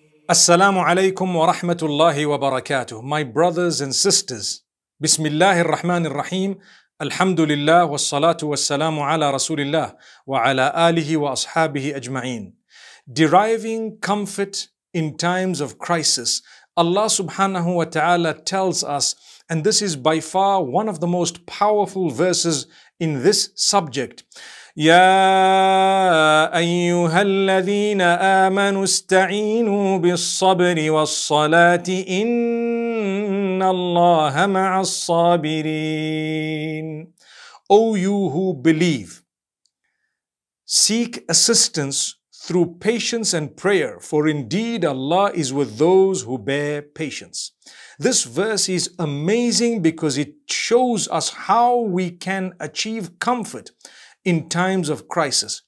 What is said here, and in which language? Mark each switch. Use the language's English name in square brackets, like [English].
[Arabic] السلام عليكم ورحمة الله وبركاته. [English] My brothers and sisters, [Arabic] بسم الله الرحمن الرحيم. الحمد لله والصلاة والسلام على رسول الله وعلى آله وأصحابه أجمعين. [English] Deriving comfort in times of crisis, Allah subhanahu wa ta'ala tells us, and this is by far one of the most powerful verses in this subject. [Arabic] يا أيها الذين آمنوا استعينوا بالصبر والصلاة إن الله مع الصابرين. [English] O you who believe, seek assistance through patience and prayer, for indeed Allah is with those who bear patience. This verse is amazing because it shows us how we can achieve comfort in times of crisis.